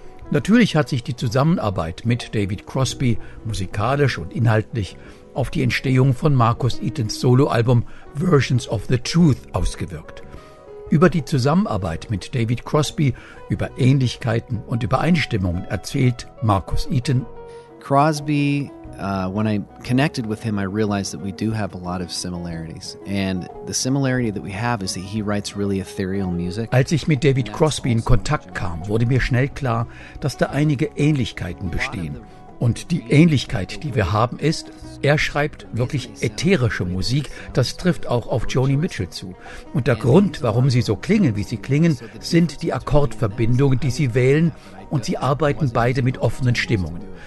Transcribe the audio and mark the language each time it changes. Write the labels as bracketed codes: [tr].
[de] Natürlich hat sich die Zusammenarbeit mit David Crosby musikalisch und inhaltlich auf die Entstehung von Marcus Eatons Soloalbum Versions of the Truth ausgewirkt. Über die Zusammenarbeit mit David Crosby, über Ähnlichkeiten und Übereinstimmungen erzählt Marcus Eaton: [en] Crosby, when I connected with him, I realized that we do have a lot of similarities. And the similarity that we have is that he writes really ethereal music. [de] Als ich mit David Crosby in Kontakt kam, wurde mir schnell klar, dass da einige Ähnlichkeiten bestehen. Und die Ähnlichkeit, die wir haben, ist, er schreibt wirklich ätherische Musik, das trifft auch auf Joni Mitchell zu. Und der Grund, warum sie so klingen, wie sie klingen, sind die Akkordverbindungen, die sie wählen, und sie arbeiten beide mit offenen Stimmungen.